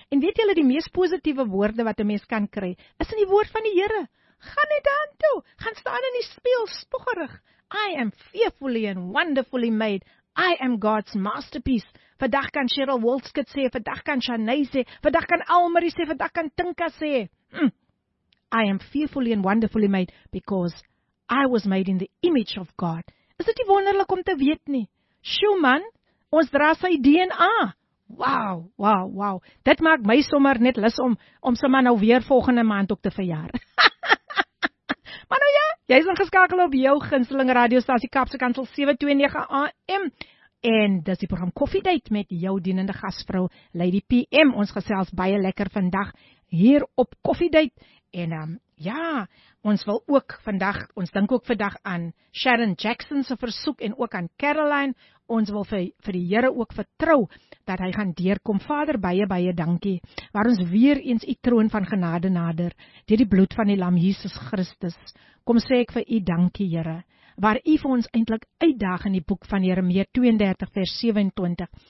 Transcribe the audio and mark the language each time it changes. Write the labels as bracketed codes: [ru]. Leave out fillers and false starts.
[af] En weet julle die mees positiewe woorde wat 'n mens kan kry, is in die woord van die Here. Gaan net dan toe. Gaan staan in die spieël spoggerig. [en] I am fearfully and wonderfully made. I am God's masterpiece. [af] Vandag kan Cheryl Wolskit sê, vandag kan Shanay sê, vandag kan Almarie sê, vandag kan Tinka sê. [en] I am fearfully and wonderfully made because I was made in the image of God. [af] Is dit nie wonderlik om te weet nie? Sjoe man, ons dra sy DNA. Wow, wow, wow. Dit maak my sommer net lus om sommer nou weer volgende maand ook te verjaar. Maar nou ja, jy is ingeskakel op jou gunsteling radiostasie Kaapse Kansel 729 AM. En dis die program Koffiedate met jou dienende gasvrou, Lady PM. Ons gesels baie lekker vandag hier op Koffiedate. En ja, ons wil ook vandag, ons dink ook vandag aan Sharon Jackson se versoek en ook aan Caroline. Ons wil vir die Here ook vertrou dat hy gaan deurkom. Vader, baie dankie, waar ons weer eens u troon van genade nader, deur die bloed van die lam Jesus Christus. Kom sê ek vir u dankie, Here, waar u vir ons eintlik uitdaag in die boek van Jeremia 32 vers 27.